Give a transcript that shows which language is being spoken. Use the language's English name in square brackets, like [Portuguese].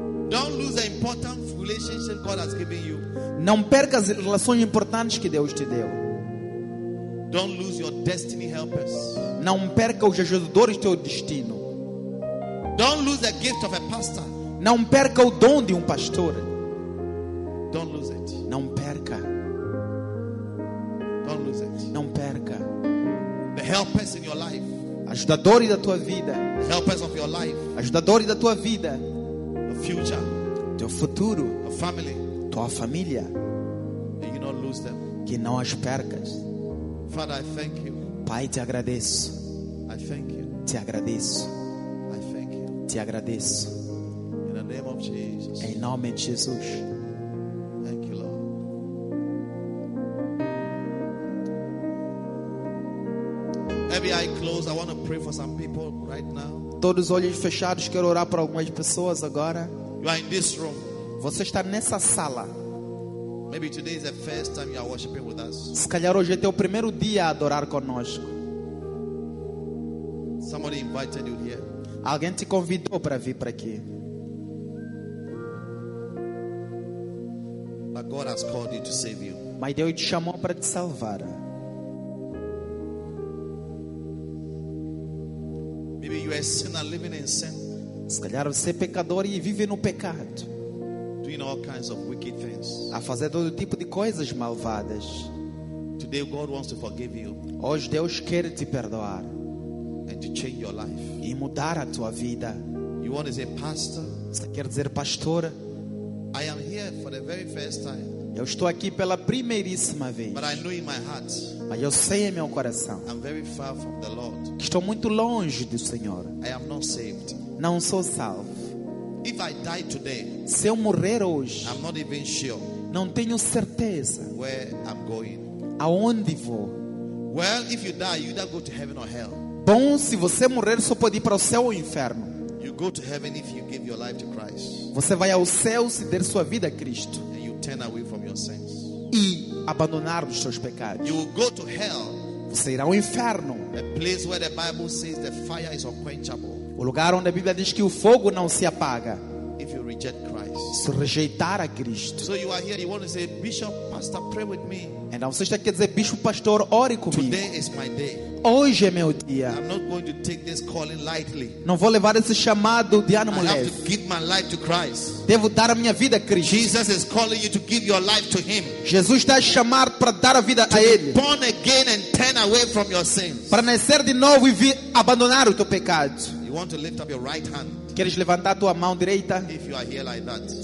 [English] Don't lose the important relationship God has given you. [Portuguese] Não perca as relações importantes que Deus te deu. [English] Don't lose your destiny helpers. [Portuguese] Não perca os ajudadores do teu destino. [English] Don't lose the gift of a pastor. [Portuguese] Não perca o dom de um pastor. [English] Don't lose it. [Portuguese] Não perca. [English] Don't lose it. [Portuguese] Não perca. [English] The helpers in your life. [Portuguese] Ajudadores da tua vida. [English] The helpers of your life. [Portuguese] Ajudadores da tua vida. [English] Your future. [Portuguese] Teu futuro. [English] Your family. [Portuguese] Tua família. [English] You not lose them. [Portuguese] Que não as percas. [English] Father, I thank you. [Portuguese] Pai, te agradeço. [English] I thank you. [Portuguese] Te agradeço. [English] I thank you. [Portuguese] Te agradeço. [English] In the name of Jesus. [Portuguese] Em nome de Jesus. [English] Thank you, Lord. Every eye closed, I want to pray for some people right now. [Portuguese] Todos os olhos fechados, quero orar por algumas pessoas agora. [English] You are in this room. [Portuguese] Você está nessa sala. [English] Maybe today is the first time you are worshiping with us. [Portuguese] Se calhar hoje é teu primeiro dia a adorar conosco. [English] Somebody invited you here. [Portuguese] Alguém te convidou para vir para aqui. [English] But God has called you to save you. [Portuguese] Mas Deus te chamou para te salvar. [English] Maybe you are a sinner living in sin. [Portuguese] Se calhar você é pecador e vive no pecado. [English] Doing all kinds of wicked things. [Portuguese] A fazer todo tipo de coisas malvadas. [English] Today God wants to forgive you. [Portuguese] Hoje Deus quer te perdoar. [English] And to change your life. [Portuguese] E mudar a tua vida. [English] You want to say, pastor? [Portuguese] Você quer dizer pastor? [English] I am here for the very first time. [Portuguese] Eu estou aqui pela primeiríssima vez. [English] But I know in my heart, [Portuguese] mas eu sei em meu coração. [English] I'm very far from the Lord. [Portuguese] Que estou muito longe do Senhor. [English] I am not saved. [Portuguese] Não sou salvo. [English] If I die today, [Portuguese] se eu morrer hoje, [English] I'm not even sure, [Portuguese] não tenho certeza [English] where I'm going. [Portuguese] Aonde vou? [English] Well, if you die, you either go to heaven or hell. [Portuguese] Bom, se você morrer, só pode ir para o céu ou o inferno. [English] You go to heaven if you give your life to Christ. [Portuguese] Você vai ao céu se der sua vida a Cristo. [English] And you turn away from your sins. [Portuguese] E abandonar os seus pecados. [English] You will go to hell. [Portuguese] Você irá ao inferno. [English] A place where the Bible says the fire is unquenchable. [Portuguese] O lugar onde a Bíblia diz que o fogo não se apaga. [English] If you reject Christ. [Portuguese] Se rejeitar a Cristo. [English] So you are here, you want to say, Bishop, Pastor, pray with me. [Portuguese] Então você está aqui a dizer, Bispo, Pastor, ore comigo. [English] Today is my day. [Portuguese] Hoje é meu dia. [English] I'm not going to take this calling lightly. [Portuguese] Não vou levar esse chamado de ânimo leve. [English] I have to give my life to Christ. [Portuguese] Devo dar a minha vida a Cristo. [English] Jesus is calling you to give your life to Him. [Portuguese] Jesus está chamado para dar a vida [English] to [Portuguese] a Ele. [English] Born again and turn away from your sins. [Portuguese] Para nascer de novo e abandonar o teu pecado. [English] You want to lift up your right hand. [Portuguese] Queres levantar a tua mão direita? [English] If you are here like that,